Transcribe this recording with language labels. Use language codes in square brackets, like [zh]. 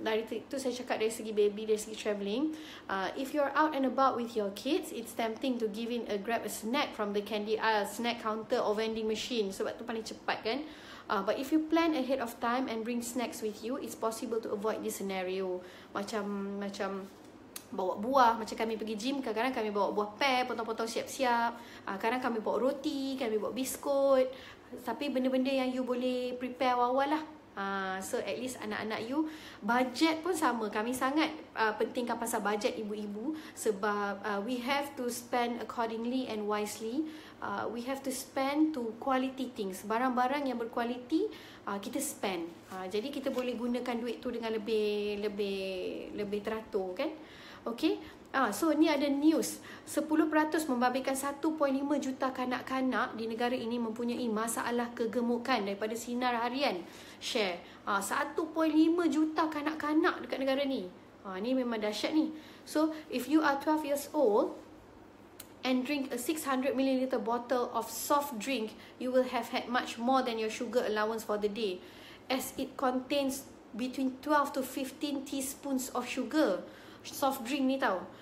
[ms] Dari tu saya cakap dari segi baby, dari segi travelling. [en] If you're out and about with your kids, it's tempting to give in a grab a snack from the candy aisle, snack counter or vending machine. [ms] Sebab tu paling cepat kan. [en] But if you plan ahead of time and bring snacks with you, it's possible to avoid this scenario. [ms] Macam bawa buah, macam kami pergi gym, kadang-kadang kami bawa buah pear, potong-potong siap-siap. Kadang-kadang kami bawa roti, kami bawa biskut. Tapi benda-benda yang you boleh prepare awal-awal lah. So at least anak-anak you, budget pun sama. Kami sangat pentingkan pasal budget ibu-ibu. [en] Sebab we have to spend accordingly and wisely. We have to spend to quality things. [ms] Barang-barang yang berkualiti, kita [en] spend. [ms] Jadi kita boleh gunakan duit tu dengan lebih teratur kan. Okay, so ni ada news. 10% membabitkan 1.5 juta kanak-kanak di negara ini mempunyai masalah kegemukan daripada Sinar Harian share. 1.5 juta kanak-kanak dekat negara ni. Ni memang dahsyat ni. [en] So, if you are 12 years old and drink a 600 ml bottle of soft drink, you will have had much more than your sugar allowance for the day, as it contains between 12 to 15 teaspoons of sugar. Soft drink [ms] ni tau.